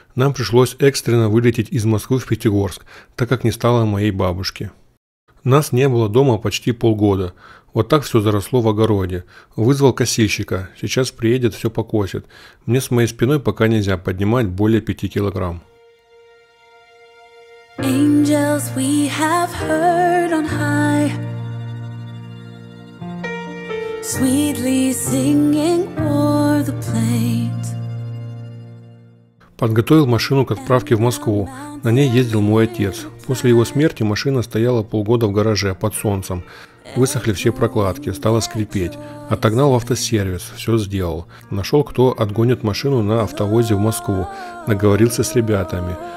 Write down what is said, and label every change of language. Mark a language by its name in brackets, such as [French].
[Russian] Нам пришлось экстренно вылететь из Москвы в Пятигорск, так как не стало моей бабушки. Нас не было дома почти полгода. Вот так все заросло в огороде. Вызвал косильщика. Сейчас приедет, все покосит. Мне с моей спиной пока нельзя поднимать более 5 килограмм. [English] Angels we have heard on high, sweetly singing o'er the plains. [Russian] Подготовил машину к отправке в Москву. На ней ездил мой отец. После его смерти машина стояла полгода в гараже под солнцем. Высохли все прокладки, стало скрипеть. Отогнал в автосервис, все сделал. Нашел, кто отгонит машину на автовозе в Москву. Наговорился с ребятами.